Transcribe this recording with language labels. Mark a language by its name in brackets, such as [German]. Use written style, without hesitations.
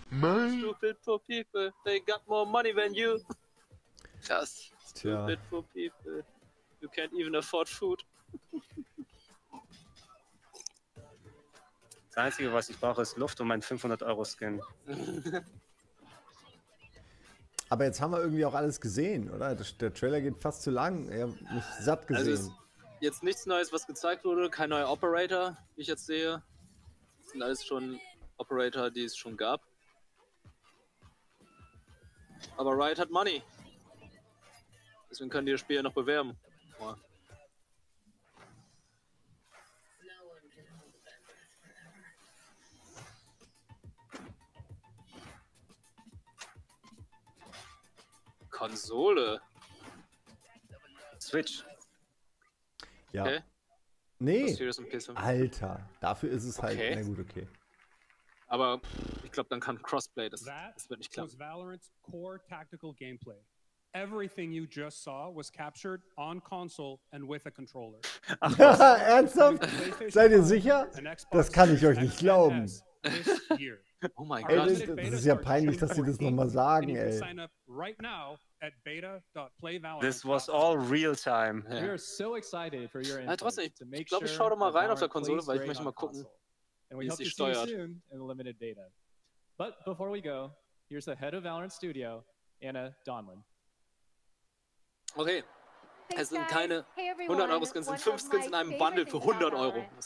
[English] Stupid for people, they got more money than you. [German] Krass. [English] Stupid for people, you can't even afford food. [German] Das Einzige, was ich brauche, ist Luft und mein 500-Euro-Skin. Aber jetzt haben wir irgendwie auch alles gesehen, oder? Der Trailer geht fast zu lang. Ich habe mich satt gesehen. Also ist jetzt nichts Neues, was gezeigt wurde. Kein neuer Operator, wie ich jetzt sehe. Das sind alles schon Operator, die es schon gab. Aber Riot hat Money. Deswegen können die das Spiel ja noch bewerben. Konsole. Switch. Ja. Nee, Alter, dafür ist es halt, na gut, okay. Aber ich glaube, dann kann Crossplay, das wird nicht klappen. Das war Valorant's core tactical gameplay. [English] Everything you just saw was captured on console and with a controller. [German] Ernsthaft? Seid ihr sicher? Das kann ich euch nicht glauben. [English] Oh my God. [German] Ey, das ist ja peinlich, dass sie das nochmal sagen, ey. [English] Sign up right now at beta.playvalorant. This was all real time. Yeah. We are so excited for your input. [German] Ja, trotzdem, ich glaube, ich schaue doch mal rein auf der Konsole, weil ich möchte mal gucken, wie es sich steuert. [English] Soon in limited beta. But before we go, here's the head of Valorant Studio, Anna Donlan. [German] Okay, es sind keine 100 Euro Skins, es sind 5 Skins in einem Bundle für 100 Euro.